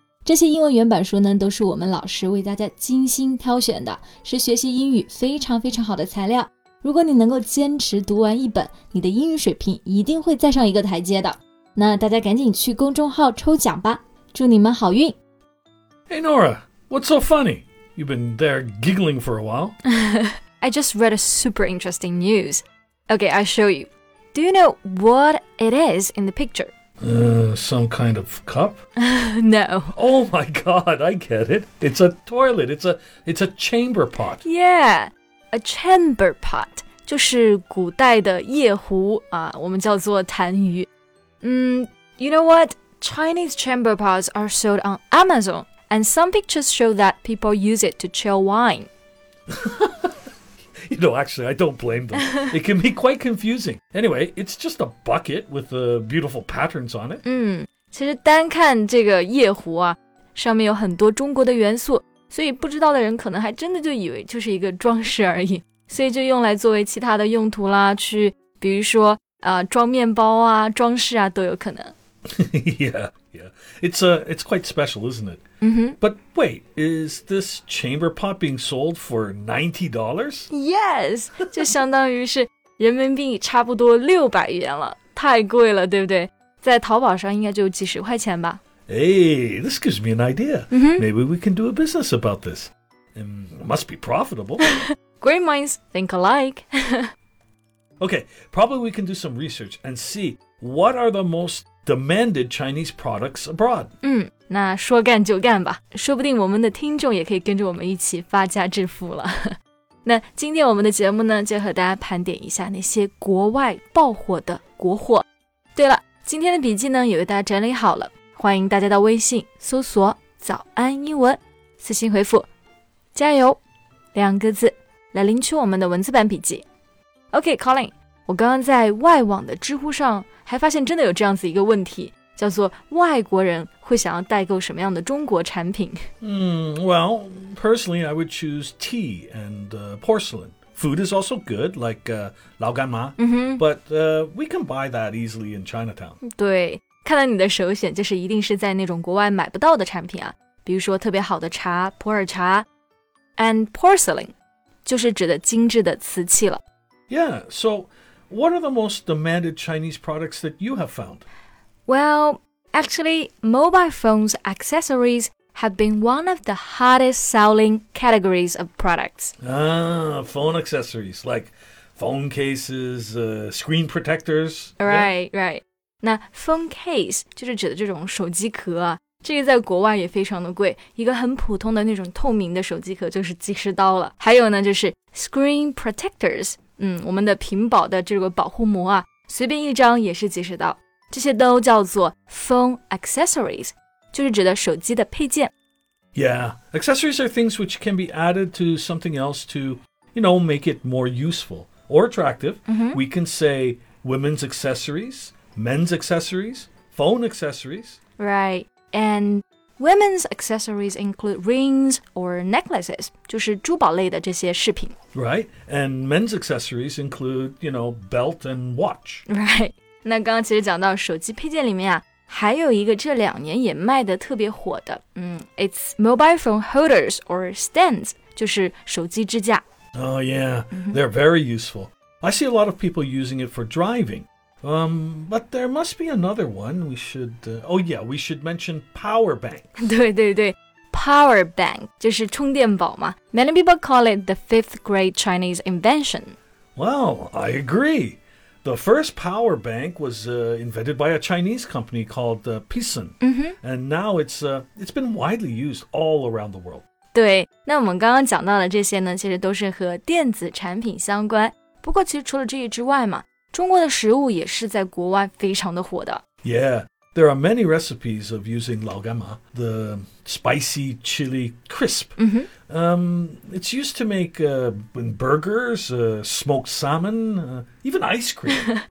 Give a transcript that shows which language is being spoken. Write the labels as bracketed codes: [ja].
[zh] 这些英文原版书呢，都是我们老师为大家精心挑选的，是学习英语非常非常好的材料。如果你能够坚持读完一本，你的英语水平一定会再上一个台阶的。那大家赶紧去公众号抽奖吧，祝你们好运。 [en] Hey Nora, what's so funny? You've been there giggling for a while. I just read a super interesting news. Okay, I'll show you. Do you know what it is in the picture? Some kind of cup? No. Oh my god, I get it. It's a toilet. It's a chamber pot. Yeah, a chamber pot. [zh] 就是古代的夜壶、我们叫做痰盂。 [en] You know what? Chinese chamber pots are sold on Amazon, and some pictures show that people use it to chill wine. You know, actually, I don't blame them. It can be quite confusing. Anyway, it's just a bucket with the beautiful patterns on it. [zh] 其实单看这个夜壶啊，上面有很多中国的元素，所以不知道的人可能还真的就以为就是一个装饰而已。所以就用来作为其他的用途啦，去比如说、装面包啊，装饰啊，都有可能。 [en] yeah. It's quite special, isn't it? Mm-hmm. But wait, is this chamber pot being sold for $90? Yes! [zh] 就相当于是人民币差不多600元了。太贵了，对不对？在淘宝上应该就几十块钱吧。 [en] Hey, this gives me an idea. Mm-hmm. Maybe we can do a business about this. It must be profitable. Great minds think alike. Okay, probably we can do some research and see what are the most... demanded Chinese products abroad. [zh] 那说干就干吧，说不定我们的听众也可以跟着我们一起发家致富了。那今天我们的节目呢，就和大家盘点一下那些国外爆火的国货。对了，今天的笔记呢，也为大家整理好了，欢迎大家到微信搜索早安英文，私信回复加油两个字来领取我们的文字版笔记。 OK Colin，我刚刚在外网的知乎上还发现真的有这样子一个问题，叫做外国人会想要代购什么样的中国产品。 [en] Well, personally, I would choose tea and porcelain. Food is also good, like 老干妈、But we can buy that easily in Chinatown. [zh] 对，看来你的首选就是一定是在那种国外买不到的产品啊，比如说特别好的茶，普洱茶。 And porcelain 就是指的精致的瓷器了。 [en] Yeah, so what are the most demanded Chinese products that you have found? Well, actually, mobile phones accessories have been one of the hottest selling categories of products. Phone accessories, like phone cases, screen protectors. Right. [zh] 那 phone case 就是指的这种手机壳啊，这个在国外也非常的贵，一个很普通的那种透明的手机壳就是几十刀了。还有呢，就是 screen protectors,我们的屏保的这个保护膜啊，随便一张也是几十刀，这些都叫做 phone accessories, 就是指的手机的配件。 [en] Yeah, accessories are things which can be added to something else to, you know, make it more useful or attractive.、 Mm-hmm. We can say women's accessories, men's accessories, phone accessories. Right, and women's accessories include rings or necklaces, [zh] 就是珠宝类的这些饰品。 [en] Right, and men's accessories include, you know, belt and watch. [zh] Right, 那刚刚其实讲到手机配件里面啊，还有一个这两年也卖得特别火的， [en] it's mobile phone holders or stands, [zh] 就是手机支架。 [en] Oh yeah, they're very useful. I see a lot of people using it for driving. But there must be another one we should, we should mention power bank. [zh] 对对对。 Power bank, 就是充电宝嘛。 [en] Many people call it the fifth great Chinese invention. Well, I agree. The first power bank was invented by a Chinese company called Pisun. And now it's been widely used all around the world. [zh] 对，那我们刚刚讲到的这些呢，其实都是和电子产品相关。不过其实除了这些之外嘛，中国的食物也是在国外非常的火的。 [en] Yeah, There are many recipes of using 老干妈, the spicy chili crisp. Mm-hmm. It's used to make burgers, smoked salmon, even ice cream.